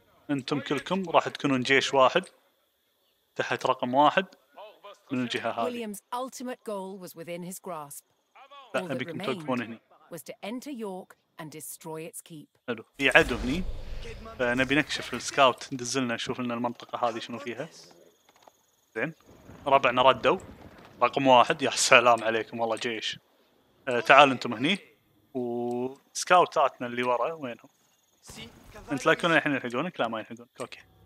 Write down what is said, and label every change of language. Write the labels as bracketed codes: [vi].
[ar] أنتم كلكم راح تكونون جيش واحد تحت رقم واحد من الجهة هذه. [en] William's ultimate goal was within his grasp. All that remained was to enter York and destroy its keep. [ar] حلو. في عدو هني. نبي نكشف السكاوت ندزلنا نشوف لنا المنطقة هذه شنو فيها. زين. ربعنا ردوا. رقم واحد يا سلام عليكم والله جيش. تعال أنتم هني. وسكاوتاتنا اللي ورا وينهم؟ انت لا كنا الحين يلحقونك؟ لا ما يلحقونك. اوكي.